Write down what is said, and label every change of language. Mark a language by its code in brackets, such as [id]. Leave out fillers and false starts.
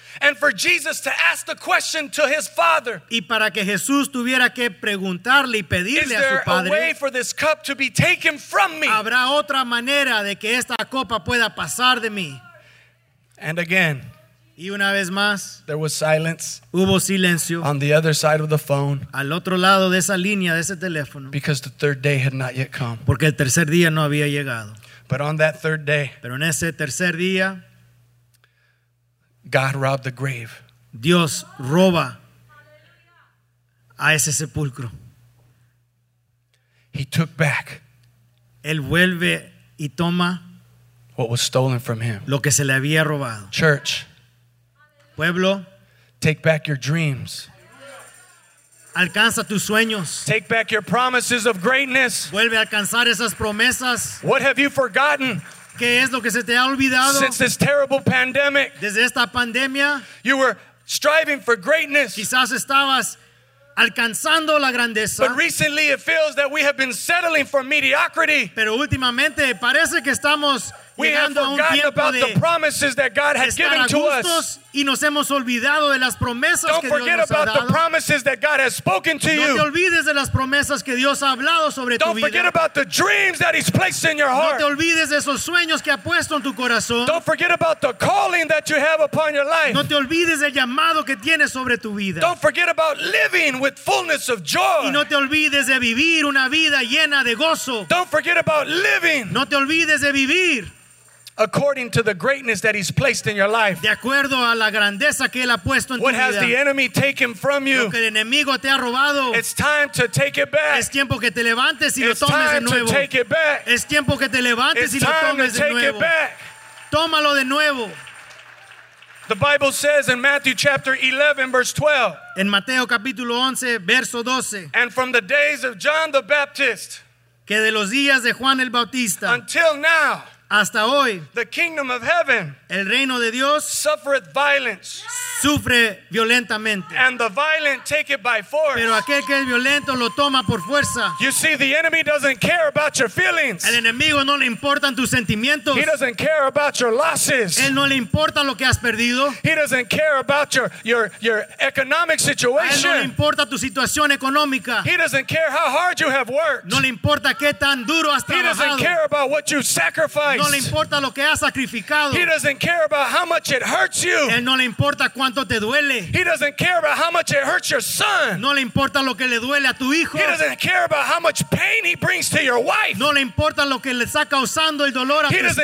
[en] And for Jesus to ask the question to his father. [es] Y para que Jesús tuviera que preguntarle y pedirle a su padre. [en] Is there a way for this cup to be taken from me? [es] ¿Habrá otra manera de que esta copa pueda pasar de mí? [en] And again. [es] Y una vez más. [en] There was silence. [es] Hubo silencio. [en] On the other side of the phone. [es] Al otro lado de esa línea de ese teléfono. [en] Because the third day had not yet come. [es] Porque el tercer día no había llegado. [en] But on that third day. [es] Pero en ese tercer día. [en] God robbed the grave. [es] Dios roba a ese sepulcro. [en] He took back. [es] Él vuelve y toma [en] what was stolen from him. [es] Lo que se le había robado. [en] Church. [es] Pueblo. [en] Take back your dreams. [es] Alcanza tus sueños. [en] Take back your promises of greatness. [es] Vuelve a alcanzar esas promesas. [en] What have you forgotten? [es] ¿Qué es lo que se te ha olvidado? [en] Since this terrible pandemic, [es] desde esta pandemia, [en] you were striving for greatness. [es] Quizás estabas alcanzando la grandeza. [en] But recently it feels that we have been settling for mediocrity. [es] Pero últimamente parece que estamos llegando a un tiempo de estar a gustos, [en] the promises that God has given to us. [es] Y nos hemos olvidado de las promesas [en] Don't [es] que Dios nos ha dado. [en] Don't forget about the promises that God has spoken to you. [es] No te olvides de las promesas que Dios ha hablado sobre [en] Don't [es] tu vida. [en] Don't forget about the dreams that He's placed in your heart. [es] No te olvides de esos sueños que ha puesto en tu corazón. [en] Don't forget about the calling that you have upon your life. [es] No te olvides del llamado que tienes sobre tu vida. [en] Don't forget about living with fullness of joy. [es] Y no te olvides de vivir una vida llena de gozo. [en] Don't forget about living. [es] No te olvides de vivir. [en] According to the greatness that He's placed in your life. [es] De acuerdo a la grandeza que él ha puesto en tu [en] What has the enemy taken from you? [es] Lo que el enemigo te ha robado. [en] It's time to take it back. [es] Es tiempo que te levantes y lo tomes de nuevo. [en] It's time to take it back. [es] Es tiempo que te levantes y lo tomes de nuevo. [en] It's time to take it back. [es] Tómalo de nuevo. [en] The Bible says in Matthew chapter 11 verse 12. [es] En Mateo capítulo 11 verso 12. [en] And from the days of John the Baptist. [es] Que de los días de Juan el Bautista. [en] Until now. [es] Hasta hoy, [en] the kingdom of heaven, [es] el reino de Dios, [en] suffereth violence, [es] sufre violentamente, [en] and the violent take it by force. [es] Pero aquel que es violento lo toma por fuerza. [en] You see, the enemy doesn't care about your feelings. [es] El enemigo no le importan tus sentimientos. [en] He doesn't care about your losses. [es] Él no le importa lo que has perdido. [en] He doesn't care about your economic situation. [es] A él no le importa tu situación económica. [en] He doesn't care how hard you have worked. [es] No le importa qué tan duro has trabajado. [en] He doesn't care about what you sacrificed. [es] No le importa lo que ha sacrificado. [en] He doesn't care about how much it hurts you. [es] Él no le importa cuánto te duele. [en] He doesn't care about how much it hurts your son. [es] No le importa lo que le duele a tu hijo. [en] He doesn't care about how much pain he brings to your wife. [es] No le importa lo que le está causando el dolor a tu esposa.